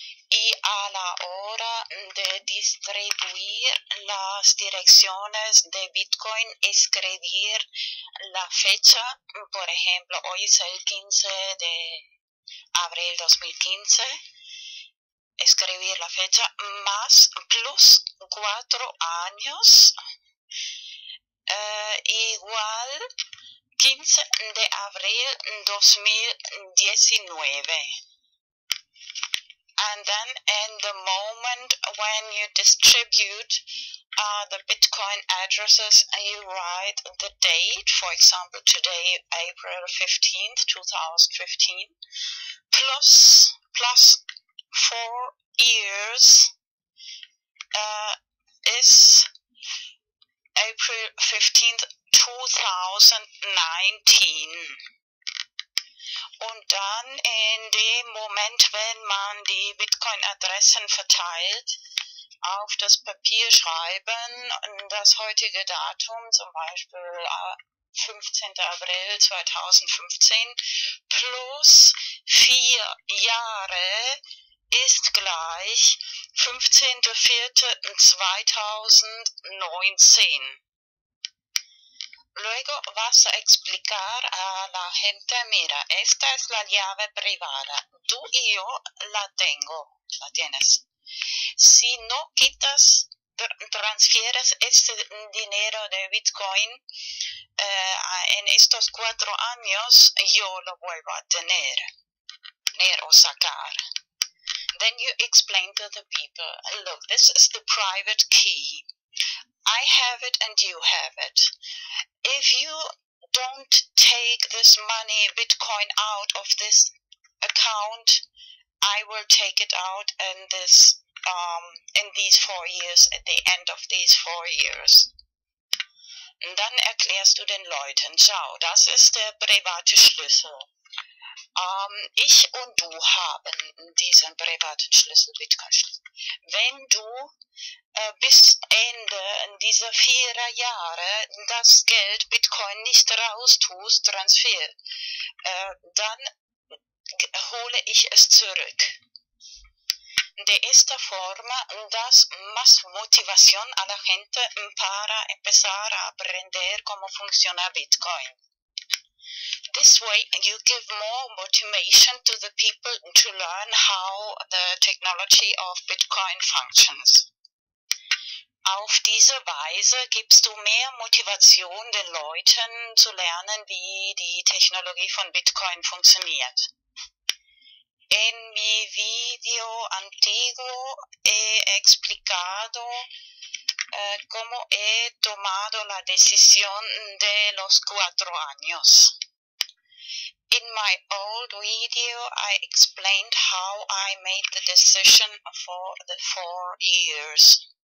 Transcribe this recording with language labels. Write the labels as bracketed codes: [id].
[es] Y a la hora de distribuir las direcciones de Bitcoin, escribir la fecha, por ejemplo, hoy es el 15 de abril 2015, escribir la fecha más plus 4 años, igual 15 de abril 2019. [en] And then in the moment when you distribute the Bitcoin addresses, you write the date, for example, today, April 15th, 2015, plus 4 years, is April 15th, 2019. [de] Und dann in dem Moment, wenn man die Bitcoin-Adressen verteilt, auf das Papier schreiben, das heutige Datum, zum Beispiel 15. April 2015, plus 4 Jahre ist gleich 15.04.2019. [es] Luego vas a explicar a la gente, mira, esta es la llave privada. Tú y yo la tengo, la tienes. Si no quitas, transfieres este dinero de Bitcoin en estos 4 años, yo lo vuelvo a tener o sacar. [en] Then you explain to the people, look, this is the private key. I have it and you have it. If you don't take this money, Bitcoin, out of this account, I will take it out in this, in these 4 years, at the end of these 4 years. [de] Und dann erklärst du den Leuten, schau, das ist der private Schlüssel. Ich und du haben diesen privaten Schlüssel, Bitcoin-Schlüssel. Wenn du bis Ende dieser 4 Jahre das Geld Bitcoin nicht raus tust, Transfer, dann hole ich es zurück. [es] De esta forma das más motivación a la gente para empezar a aprender cómo funciona Bitcoin. [en] This way, you give more motivation to the people to learn how the technology of Bitcoin functions. [de] Auf diese Weise gibst du mehr Motivation den Leuten zu lernen, wie die Technologie von Bitcoin funktioniert. [es] En mi video antiguo he explicado cómo he tomado la decisión de los 4 años. [en] In my old video, I explained how I made the decision for the 4 years.